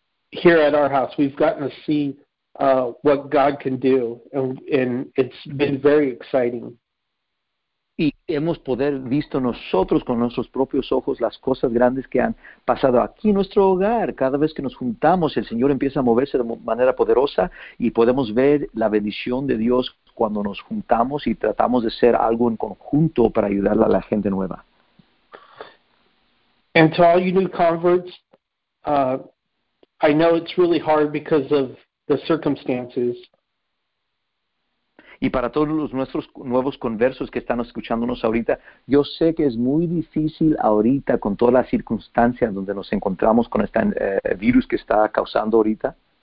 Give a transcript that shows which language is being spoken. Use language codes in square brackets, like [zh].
[en] here at our house, we've gotten to see what God can do, and it's been very exciting. [es] Y hemos poder visto nosotros con nuestros propios ojos las cosas grandes que han pasado aquí en nuestro hogar. Cada vez que nos juntamos, el Señor empieza a moverse de manera poderosa y podemos ver la bendición de Dios cuando nos juntamos y tratamos de hacer algo en conjunto para ayudar a la gente nueva. [en] And to all you new converts, I know it's really hard because of the circumstances. [es] Y para todos los nuestros nuevos conversos que están escuchándonos ahorita, yo sé que es muy difícil ahorita con todas las circunstancias donde nos encontramos con este virus que está causando ahorita.